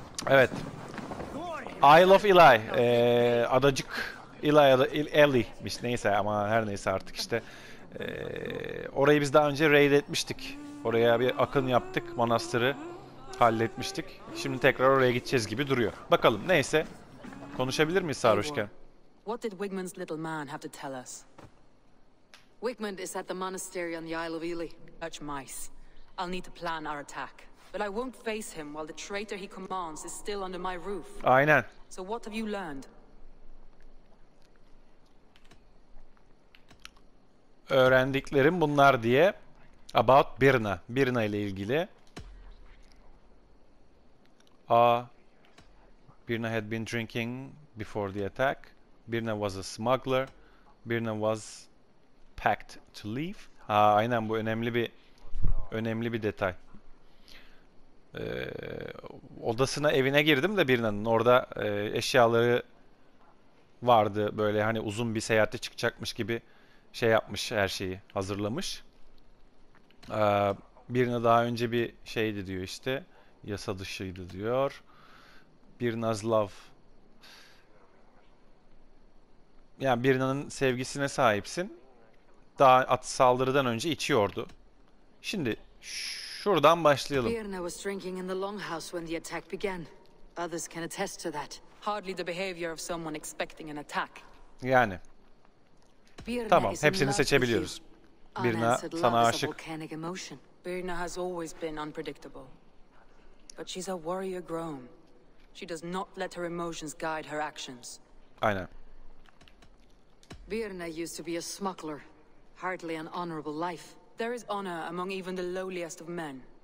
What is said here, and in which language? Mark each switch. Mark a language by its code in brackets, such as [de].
[tr] Evet. Isle of Eli. Adacık. Eli ya da Ellie'miş. Neyse ama her neyse artık işte. Orayı biz daha önce raid etmiştik. Oraya bir akın yaptık. Manastırı halletmiştik. Şimdi tekrar oraya gideceğiz gibi duruyor. Bakalım neyse. Konuşabilir miyiz sarhoşken? [en] What did Wigmund's little man have to tell us? Wigmund is at the monastery on the Isle of Ely. Such mice. I'll need to plan our attack. But I won't face him while the traitor he commands is still under my roof. [tr] Aynen. [en] So what have you learned? [tr] Öğrendiklerim bunlar diye. [en] About Birna. [tr] Birna ile ilgili. [en] Birna had been drinking before the attack. Birna was a smuggler. Birna was packed to leave. [tr] Ha, aynen bu önemli bir detay. Odasına, evine girdim de Birna'nın. Orada eşyaları vardı. Böyle hani uzun bir seyahate çıkacakmış gibi şey yapmış, her şeyi hazırlamış. Birna daha önce bir şeydi diyor işte. Yasa dışıydı diyor. [en] Birna's love. [tr] Yani Birna'nın sevgisine sahipsin. Daha at saldırıdan önce içiyordu. Şimdi şuradan başlayalım. [en] Birna was drinking in the longhouse when the attack began. Others can attest to that. Hardly the behavior of someone expecting an attack. [tr] Yani. Birna, tamam, hepsini seçebiliyoruz. Birna sana aşık. [en] Birna has always been unpredictable. But she's a warrior grown. She does not let her emotions guide her actions. [tr] Aynen. [en] Birna used to be a smuggler. Hardly an honorable life. There is honor among even the lowliest of men.